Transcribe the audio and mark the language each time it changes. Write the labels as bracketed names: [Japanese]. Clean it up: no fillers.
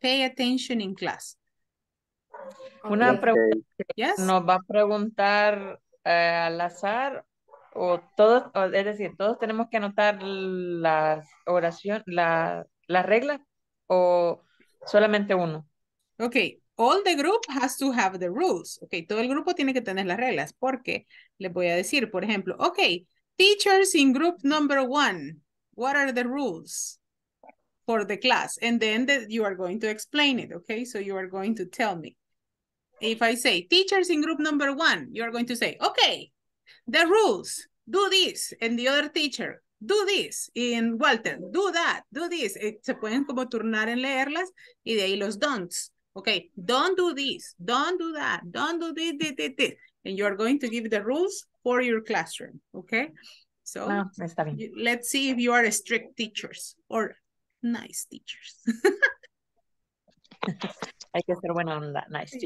[English] Pay attention in class. [Spanish] Una pregunta. [English] Yes. [Spanish] ¿Nos va a preguntar al azar o todos? O, es decir, todos tenemos que anotar las oraciones, las reglas o solamente uno. [English] Okay. All the group has to have the rules. [Spanish] Okay, todo el grupo tiene que tener las reglas. Porque les voy a decir, por ejemplo, [English] okay, teachers in group number one, what are the rules for the class? And then you are going to explain it, okay? So you are going to tell me. If I say, teachers in group number one, you are going to say, okay, the rules, do this. And the other teacher, do this. And Walter, do that, do this. [Spanish] Se pueden como turnar en leerlas y de ahí los don'ts. [English] Okay, don't do this, don't do that, don't do this, this. And you're going to give the rules for your classroom, okay? So [Spanish] no, está bien. [English] Let's see if you are a strict teachers or nice teachers. [Spanish] Hay que ser buena onda, [English] nice teacher.